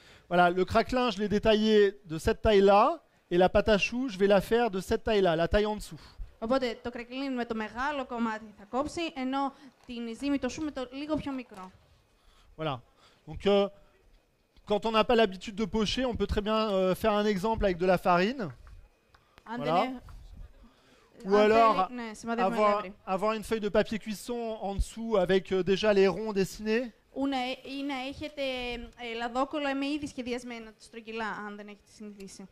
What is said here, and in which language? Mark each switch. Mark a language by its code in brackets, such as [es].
[fr] Voilà, le craquelin, je l'ai détaillé de cette taille-là, et la pâte à choux, je vais la faire de cette taille-là, la taille en dessous. [el] Οπότε το κρακελίν με το μεγάλο κομμάτι θα κόψει, ενώ την ζύμη το σου με το λίγο πιο μικρό. [fr] Voilà. Donc, quand on n'a pas l'habitude de pocher, on peut très bien faire un exemple avec de la farine. Voilà. Ou alors, avoir une feuille de papier cuisson en dessous avec déjà les ronds dessinés. Ou [el] να έχετε λαδόκολλα με ήδη σχεδιασμένα στρογγυλά, αν δεν έχετε συνηθίσει.